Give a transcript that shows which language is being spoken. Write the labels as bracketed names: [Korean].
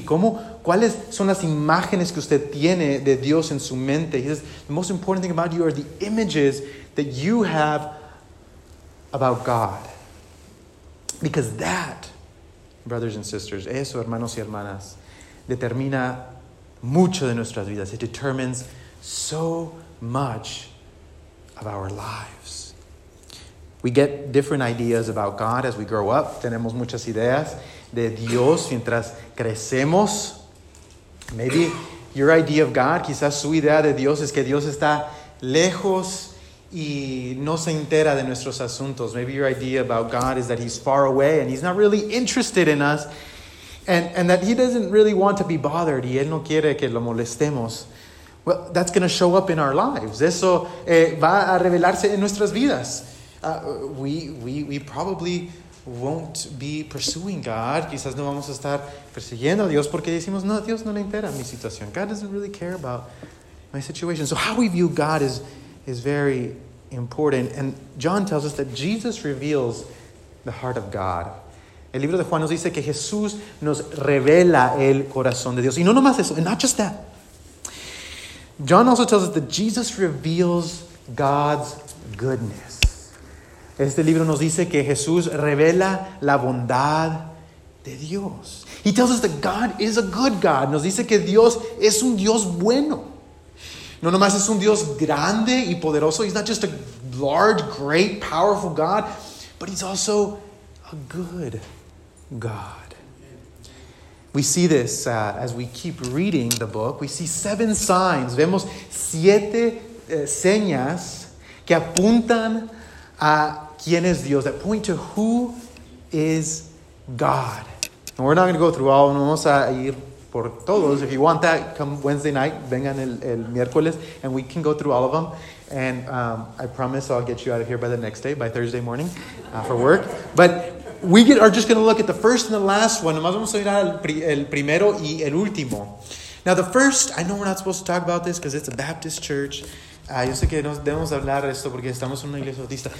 [Spanish] ¿Cómo, cuáles son las imágenes que usted tiene de Dios en su mente? [English] He says, the most important thing about you are the images that you have about God. Because that, brothers and sisters, [Spanish] eso, hermanos y hermanas, determina mucho de nuestras vidas. [English] It determines so much of our lives. We get different ideas about God as we grow up. [Spanish] Tenemos muchas ideas de Dios mientras crecemos. [English] Maybe your idea of God, [Spanish] quizás su idea de Dios es que Dios está lejos y no se entera de nuestros asuntos. [English] Maybe your idea about God is that he's far away and he's not really interested in us and that he doesn't really want to be bothered [Spanish] y él no quiere que lo molestemos. [English] Well, that's going to show up in our lives. [Spanish] Eso va a revelarse en nuestras vidas. [English] We probably won't be pursuing God. [Spanish] Quizás no vamos a estar persiguiendo a Dios porque decimos, no, Dios no le interesa mi situación. [English] God doesn't really care about my situation. So how we view God is very important. And John tells us that Jesus reveals the heart of God. [Spanish] El libro de Juan nos dice que Jesús nos revela el corazón de Dios. Y no nomás eso, [English] and not just that. John also tells us that Jesus reveals God's goodness. [Spanish] Este libro nos dice que Jesús revela la bondad de Dios. [English] He tells us that God is a good God. [Spanish] Nos dice que Dios es un Dios bueno. No nomás es un Dios grande y poderoso. [English] He's not just a large, great, powerful God, but he's also a good God. We see this as we keep reading the book. We see 7 signs. [Spanish] Vemos 7 señas que apuntan a quién es Dios, [English] that point to who is God. And we're not going to go through all, [Spanish] no vamos a ir por todos. [English] If you want that, come Wednesday night, [Spanish] vengan el miércoles, [English] and we can go through all of them. And I promise I'll get you out of here by the next day, by Thursday morning, for work. But are just going to look at the first and the last one. [Spanish] Nomás vamos a ir al el primero y el último. [English] Now the first, I know we're not supposed to talk about this because it's a Baptist church. [Spanish] Yo sé que no debemos hablar de esto porque estamos en una iglesia bautista.